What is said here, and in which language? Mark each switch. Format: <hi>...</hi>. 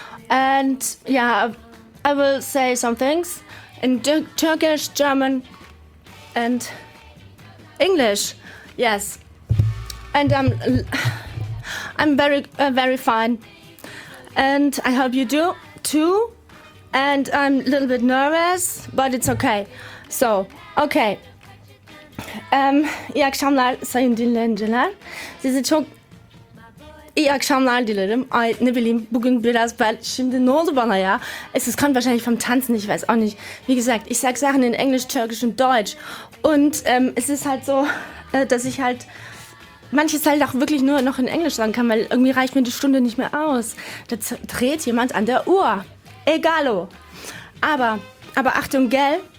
<en>And yeah, I will say some things in Turkish, German, and English. Yes, and I'm very very fine, and I hope you do. Two, and I'm a little bit nervous, but it's okay. So, okay.</en> <tr>İyi akşamlar sayın dinleyiciler. Sizi çok İyi akşamlar dilerim. Ay ne bileyim bugün biraz bel... Şimdi ne oldu bana ya?</tr> <de>Es ist kann wahrscheinlich vom Tanzen, ich weiß auch nicht. Wie gesagt, ich sag Sachen in Englisch, Türkisch und Deutsch. Und es ist halt so, dass ich halt... Manches halt auch wirklich nur noch in Englisch sagen kann, weil irgendwie reicht mir die Stunde nicht mehr aus. Da dreht jemand an der Uhr. Egalo. Aber Achtung, gell?</de>